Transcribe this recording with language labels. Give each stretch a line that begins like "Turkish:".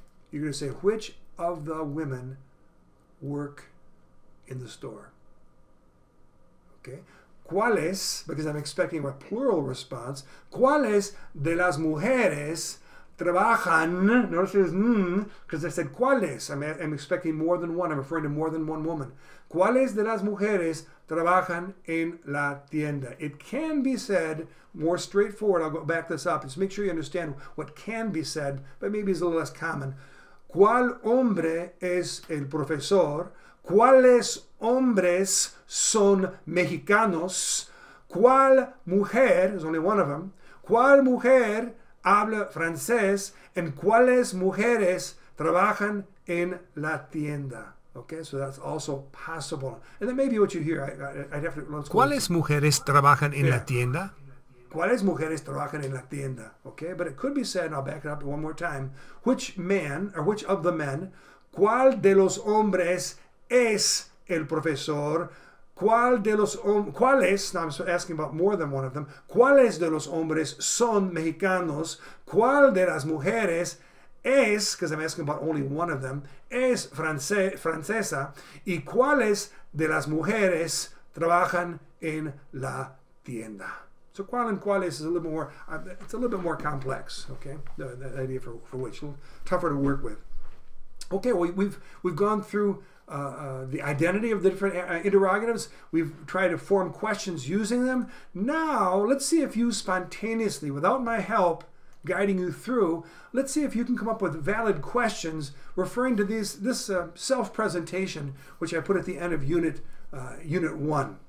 English: You're going to say, which of the women work in the store? Okay. ¿Cuáles? Because I'm expecting a plural response.
Spanish: ¿Cuáles de las mujeres trabajan?
English: Notice it's because I said ¿cuáles? I'm expecting more than one. I'm referring to more than one woman.
Spanish: ¿Cuáles de las mujeres trabajan en la tienda?
English: It can be said more straightforward. I'll go back this up. Just make sure you understand what can be said, but maybe it's a little less common.
Spanish: ¿Cuál hombre es el profesor? ¿Cuáles hombres son mexicanos? ¿Cuál mujer?
English: There's only one of them.
Spanish: ¿Cuál mujer habla francés? ¿En cuáles mujeres trabajan en la tienda?
English: Okay, so that's also possible. And that may be what you hear. I'd have to...
Spanish: ¿Cuáles mujeres trabajan en la tienda? ¿Cuáles mujeres trabajan en la tienda?
English: Okay, but it could be said, and I'll back it up one more time, which man, or which of the men,
Spanish: ¿cuál de los hombres es el profesor? ¿Cuál de los cuáles?
English: Now I'm asking about more than one of them.
Spanish: ¿Cuáles de los hombres son mexicanos? ¿Cuál de las mujeres es?
English: Because I'm asking about only one of them.
Spanish: Es francesa. ¿Y cuáles de las mujeres trabajan en la tienda?
English: So cuál and cuáles is a little more. It's a little bit more complex. Okay, the idea for which a little tougher to work with. Okay, well, we've gone through the identity of the different interrogatives. We've tried to form questions using them. Now, let's see if you spontaneously, without my help guiding you through, let's see if you can come up with valid questions referring to this self-presentation, which I put at the end of unit one.